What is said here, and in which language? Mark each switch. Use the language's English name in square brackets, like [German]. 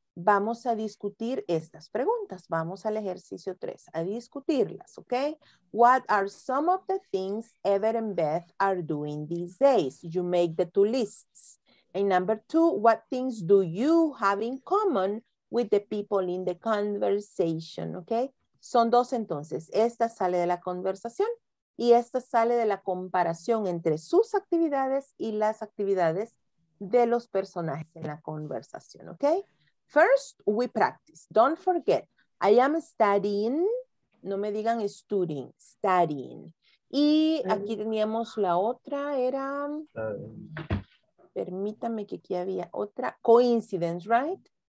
[Spanish] vamos a discutir estas preguntas. Vamos al ejercicio 3, a discutirlas, ¿ok? [English] What are some of the things Ever and Beth are doing these days? You make the 2 lists. And number 2, what things do you have in common with the people in the conversation, ¿ok? [Spanish] Son 2 entonces. Esta sale de la conversación y esta sale de la comparación entre sus actividades y las actividades de los personajes en la conversación, ¿ok? [English] First, we practice. Don't forget, I am studying, [Spanish] no me digan [English] studying, studying. [Spanish] Y aquí teníamos la otra, era, permítame que aquí había otra, [English] coincidence, right?